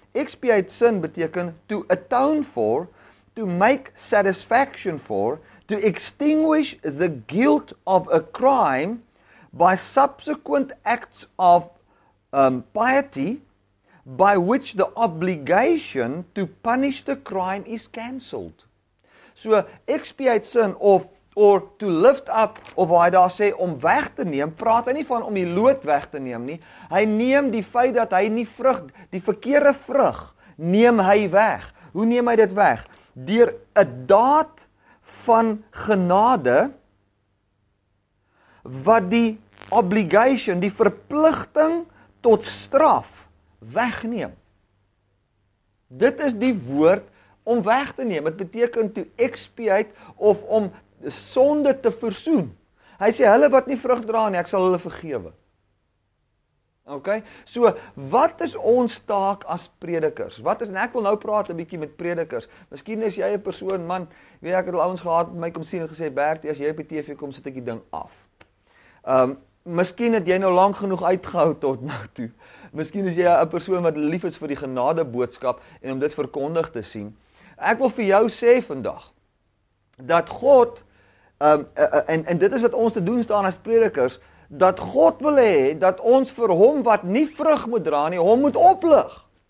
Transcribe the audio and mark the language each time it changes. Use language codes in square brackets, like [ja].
[en] Expiate sin beteken to atone for, to make satisfaction for, to extinguish the guilt of a crime by subsequent acts of piety by which the obligation to punish the crime is cancelled. [af] So, [en] expiate sin [af] of [en] or to lift up, [af] of hy daar sê, om weg te neem, praat hy nie van om die loot weg te neem nie, hy neem die feit dat hy nie vrug, die verkeerde vrug, neem hy weg. Hoe neem hy dit weg? Deur 'n daad van genade, wat die obligation, die verpligting tot straf, wegneem. Dit is die woord om weg te neem. Dit beteken [en] to expiate, [af] of om sonde te versoen. Hy sê, hulle wat nie vrug dra nie, ek sal hulle vergewe. Ok, so, wat is ons taak as predikers? Wat is, en ek wil nou praat 'n bietjie met predikers, miskien is jy 'n persoon, man, weet ek het al ouens gehad, het my kom sien en gesê, Bertie, as jy op die TV kom, sit ek die ding af. Miskien het jy nou lang genoeg uitgehou tot nou toe. Miskien is jy 'n persoon wat lief is vir die genade boodskap, en om dit verkondig te sien. Ek wil vir jou sê vandag, dat God, en dit is wat ons te doen staan as predikers, dat God wil hê dat ons vir hom wat nie vrug moet dra nie, hom moet oplig.